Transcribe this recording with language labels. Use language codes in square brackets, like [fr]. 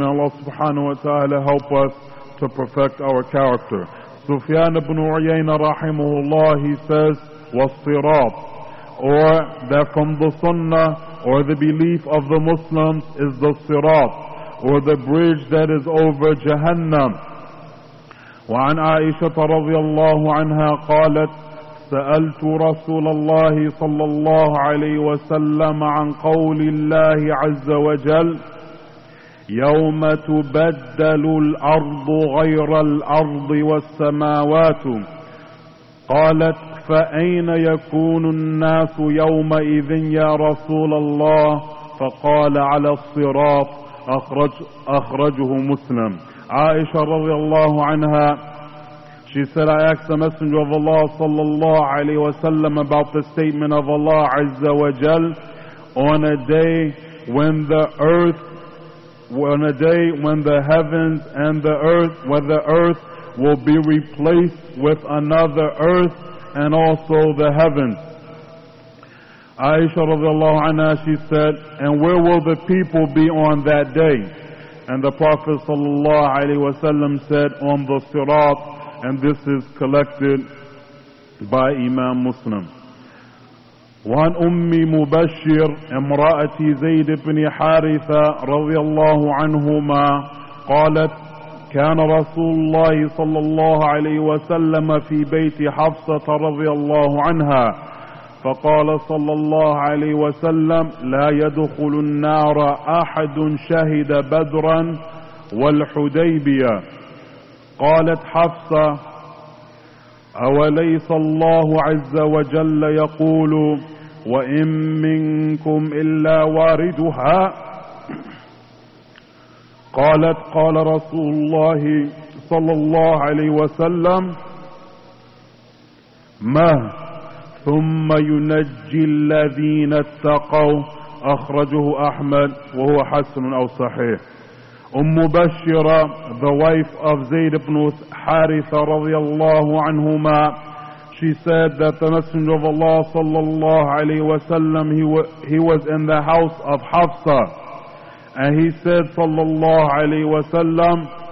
[en] May Allah subhanahu wa ta'ala help us to perfect our character. Sufyan ibn Uyayna rahimahullah, he says, was-sirat, or that from the sunnah, or the belief of the Muslims, is the sirat, or the bridge that is over Jahannam. [ar] وعن عائشة رضي الله عنها قالت سألت رسول الله صلى الله عليه وسلم عن قول الله عز وجل يوم تبدل الأرض غير الأرض والسماوات قالت فأين يكون الناس يومئذ يا رسول الله فقال على الصراط أخرجه مسلم. [en] Aisha radiallahu anha, she said, I asked the Messenger of Allah sallallahu alayhi wa sallam about the statement of Allah azza wa jal, on a day when the earth, on a day when the heavens and the earth, when the earth will be replaced with another earth and also the heavens. Aisha radiallahu anha, she said, and where will the people be on that day? And the Prophet sallallahu alaihi wasallam said, on the sirat. And this is collected by Imam Muslim. [ar] وعن أمي مبشر امرأة زيد بن حارثة رضي الله عنهما قالت كان رسول الله صلى الله عليه وسلم في بيت حفصة رضي الله عنها فقال صلى الله عليه وسلم لا يدخل النار أحد شهد بدرا والحديبية. قالت حفصة أوليس الله عز وجل يقول وإن منكم إلا واردها. قالت قال رسول الله صلى الله عليه وسلم ما ثم ينجي الذين اتقوا أخرجه أحمد وهو حسن أو صحيح. [en] أم بشرة, the wife of Zayd ibn Haritha [ar] رضي الله عنهما, [en] she said that the Messenger of Allah [ar] صلى الله عليه وسلم, [en] he was in the house of Hafsa, and he said صلى الله عليه وسلم